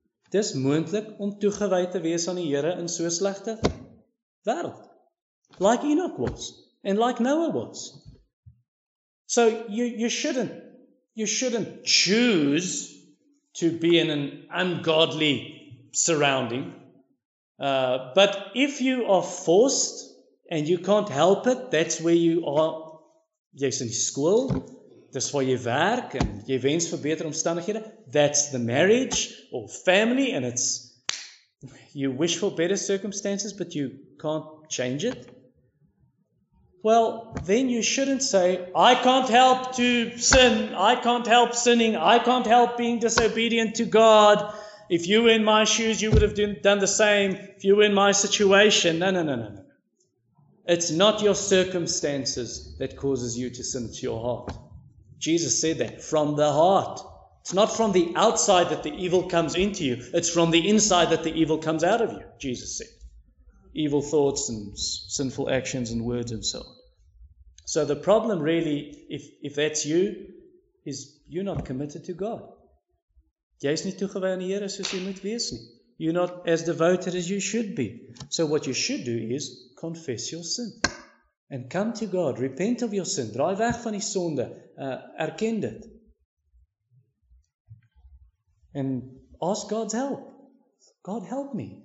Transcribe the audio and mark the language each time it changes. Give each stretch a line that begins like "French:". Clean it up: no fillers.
Afrikaans: Dis moontlik om toegewy te wees aan die Here in so 'n slegte wêreld.
English: Like Enoch was, and like Noah was. So you shouldn't choose to be in an ungodly surrounding. But if you are forced and you can't help it, that's where you are.
Afrikaans: Jy's in die skool, dis waar jy werk en jy wens vir beter omstandighede.
English: That's the marriage or family, and it's you wish for better circumstances, but you can't change it. Well, then you shouldn't say, I can't help to sin. I can't help sinning. I can't help being disobedient to God. If you were in my shoes, you would have done the same. If you were in my situation. No. It's not your circumstances that causes you to sin. It's your heart. Jesus said that, from the heart. It's not from the outside that the evil comes into you. It's from the inside that the evil comes out of you, Jesus said. Evil thoughts and sinful actions and words and so on. So the problem really, if that's you, is you're not committed to God.
Afrikaans: Jy's nie toegewy aan die Here soos jy moet wees nie.
English: You're not as devoted as you should be. So what you should do is confess your sin and come to God. Repent of your sin.
Afrikaans: Draai weg van die sonde. Erken dit.
English: And ask God's help. God, help me.